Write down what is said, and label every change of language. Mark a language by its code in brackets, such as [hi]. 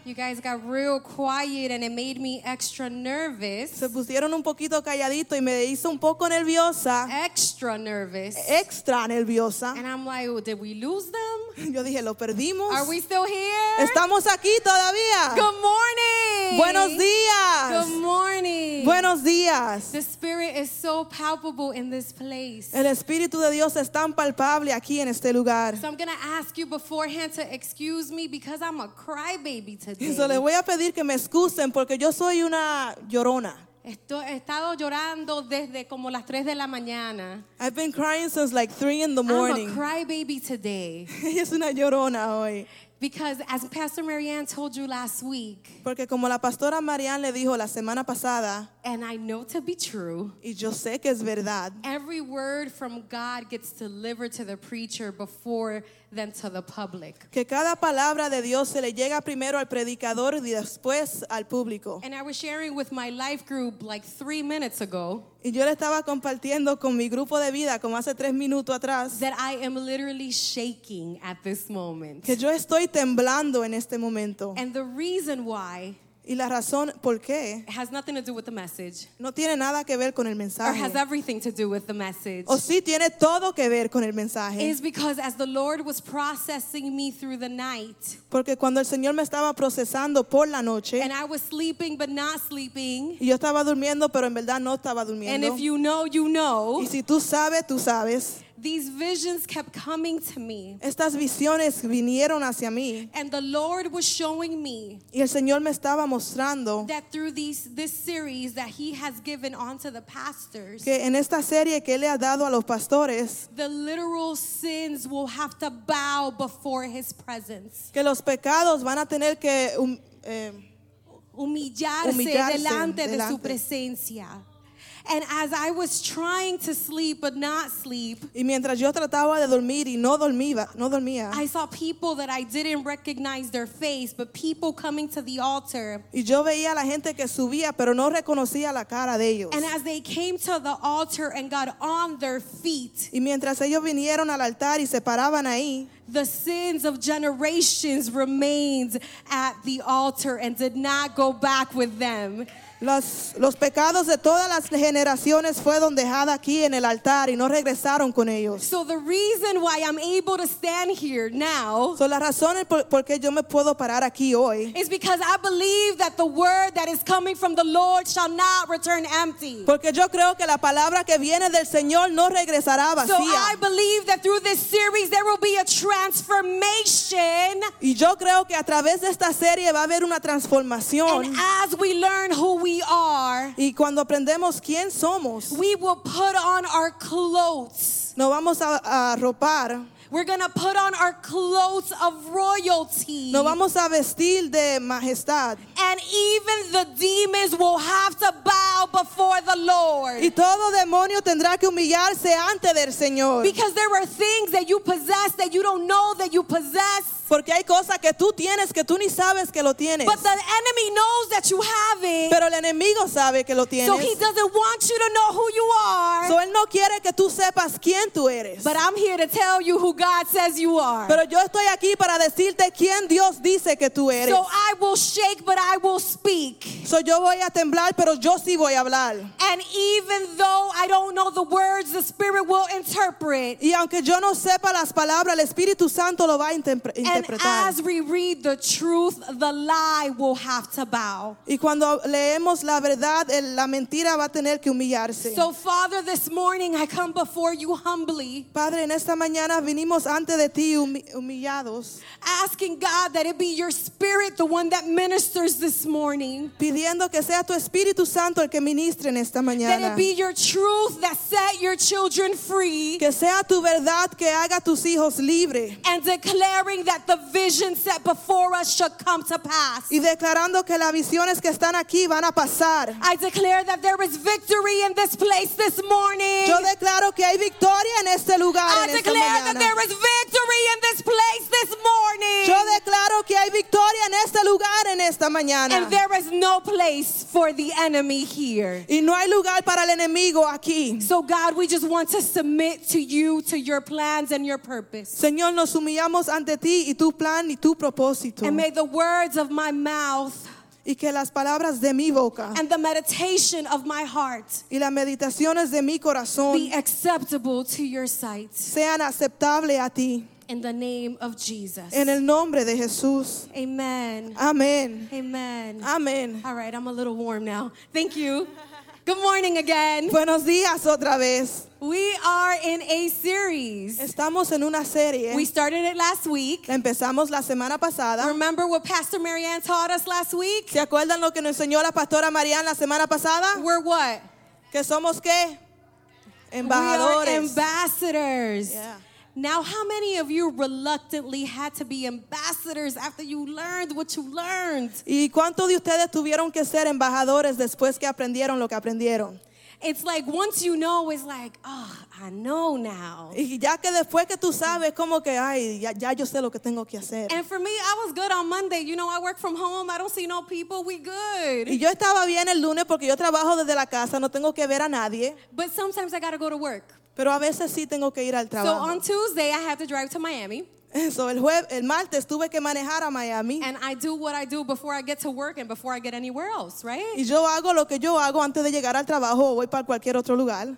[en] You guys got real quiet and it made me extra nervous. [es] Se pusieron un poquito calladito y me hizo un poco nerviosa. [en] Extra nervous. [es] Extra nerviosa. [en] And I'm like, oh, did we lose them? [es] Yo dije, ¿lo perdimos? [en] Are we still here? [es] ¿Estamos aquí todavía? [en] Good morning. [es] Buenos días. [en] Good morning. [es] Buenos días. [en] The spirit is so palpable in this place. [es] El espíritu de Dios es tan palpable aquí en este lugar. [en] So I'm going to ask you beforehand to excuse me because I'm a crybaby today. [es] So le voy a pedir que me excusen porque yo soy una llorona. He estado llorando desde como las 3 de la mañana. [en] I've been crying since like 3 in the morning. I'm a crybaby today. [es] Es una llorona hoy. [en] Because as Pastor Marianne told you last week. [es] Porque como la pastora Marianne le dijo la semana pasada. [en] And I know to be true. [es] Y yo sé que es verdad. [en] Every word from God gets delivered to the preacher before than to the public. [es] Que cada palabra de Dios se le llega primero al predicador y después al público. [en] And I was sharing with my life group like 3 minutes ago. [es] Y yo le estaba compartiendo con mi grupo de vida como hace 3 minutos atrás. [en] That I am literally shaking at this moment. [es] Que yo estoy temblando en este momento. [en] And the reason why. [es] Y la razón por qué. [en] Has nothing to do with the message. [es] No tiene nada que ver con el mensaje. [en] Or has everything to do with the message. [es] O sí tiene todo que ver con el mensaje. [en] Is because as the Lord was processing me through the night. [es] Porque cuando el Señor me estaba procesando por la noche. [en] And I was sleeping but not sleeping. [es] Y yo estaba durmiendo pero en verdad no estaba durmiendo. [en] And if you know, you know. [es] Y si tú sabes, tú sabes. [en] These visions kept coming to me. [es] Estas visiones vinieron hacia mí. [en] And the Lord was showing me. [es] Y el Señor me estaba mostrando. [en] That through this series that he has given onto the pastors. [es] Que en esta serie que él le ha dado a los pastores. [en] The literal sins will have to bow before his presence. [es] Que los pecados van a tener que humillarse delante de su presencia. [en] And as I was trying to sleep but not sleep, [es] y mientras yo trataba de dormir y no dormía, [en] I saw people that I didn't recognize their face, but people coming to the altar. [es] Y yo veía a la gente que subía, pero no reconocía la cara de ellos. [en] And as they came to the altar and got on their feet, [es] y mientras ellos vinieron al altar y se paraban ahí, [en] the sins of generations remained at the altar and did not go back with them. [es] Los pecados de todas las generaciones fueron dejados aquí en el altar y no regresaron con ellos. [en] So the reason why I'm able to stand here now. [es] So la razón por qué yo me puedo parar aquí hoy. [en] Is because I believe that the word that is coming from the Lord shall not return empty. [es] Porque yo creo que la palabra que viene del Señor no regresará vacía. [en] So I believe that through this series there will be a transformation. [es] Y yo creo que a través de esta serie va a haber una transformación. [en] And as we learn who we are, [es] y cuando aprendemos quién somos, [en] we will put on our clothes. [es] Nos vamos a arropar. [en] We're gonna put on our clothes of royalty. [es] Nos vamos a vestir de majestad. [en] And even the demons will have to bow before the Lord. [es] Y todo demonio tendrá que humillarse ante del Señor. [en] Because there are things that you possess that you don't know that you possess. [es] Porque hay cosas que tú tienes que tú ni sabes que lo tienes. [en] But the enemy knows that you have it. [es] Pero el enemigo sabe que lo tienes. [en] So he doesn't want you to know who you are. [es] So él no quiere que tú sepas quién tú eres. [en] But I'm here to tell you who God says you are. [es] Pero yo estoy aquí para decirte quién Dios dice que tú eres. [en] So I will shake, but I will speak. [es] So yo voy a temblar, pero yo sí voy a hablar. [en] And even though I don't know the words, the Spirit will interpret. [es] Y aunque yo no sepa las palabras, el Espíritu Santo lo va a interpretar. [en] And as we read the truth, the lie will have to bow. [es] Y cuando leemos la verdad, la mentira va a tener que humillarse. [en] So, Father, this morning I come before you humbly. [es] Padre, en esta mañana vinimos ante de ti humillados. [en] Asking God that it be your Spirit, the one that ministers this morning. [es] Pidiendo que sea tu Espíritu Santo el que ministre en esta mañana. [en] That it be your truth that set your children free. [es] Que sea tu verdad que haga tus hijos libre. [en] And declaring that the vision set before us shall come to pass. [es] Y declarando que las visiones que están aquí van a pasar. [en] I declare that there is victory in this place this morning. [es] Yo declaro que hay victoria en este lugar. [en] I declare that there is victory in this place this morning. [es] Yo declaro que hay victoria en este lugar en esta esta mañana. [en] And there is no place for the enemy here. [es] Y no hay lugar para el enemigo aquí. [en] So God, we just want to submit to you, to your plans and your purpose. [es] Señor, nos humillamos ante ti y tu plan y tu propósito. [en] And may the words of my mouth [es] y que las palabras de mi boca [en] and the meditation of my heart [es] y las meditaciones de mi corazón [en] be acceptable to your sight. [es] Sean aceptables a ti. [en] In the name of Jesus. [es] En el nombre de Jesús. [en] Amen. [es] Amen. [en] Amen. [es] Amen. [en] All right, I'm a little warm now. Thank you. Good morning again. [es] Buenos días otra vez. [en] We are in a series. [es] Estamos en una serie. [en] We started it last week. [es] Empezamos la semana pasada. [en] Remember what Pastor Marianne taught us last week? [es] ¿Se acuerdan lo que nos enseñó la pastora Marianne la semana pasada? [en] We're what? [es] ¿Que somos qué? Embajadores. [en] We are ambassadors. Yeah. Now, how many of you reluctantly had to be ambassadors after you learned what you learned? [es] ¿Y cuánto de ustedes tuvieron que ser embajadores después que aprendieron lo que aprendieron? [en] It's like once you know, it's like, oh, I know now. [es] Y ya que después que tú sabes, como que, ay, ya yo sé lo que tengo que hacer. [en] And for me, I was good on Monday. You know, I work from home. I don't see no people. We good. [es] Y yo estaba bien el lunes porque yo trabajo desde la casa. No tengo que ver a nadie. [en] But sometimes I gotta go to work. [es] Pero a veces sí tengo que ir al trabajo. [en] So on Tuesday, I have to drive to Miami. [es] So el martes tuve que manejar a Miami. [en] And I do what I do before I get to work and before I get anywhere else, right? [es] Y yo hago lo que yo hago antes de llegar al trabajo o voy para cualquier otro lugar.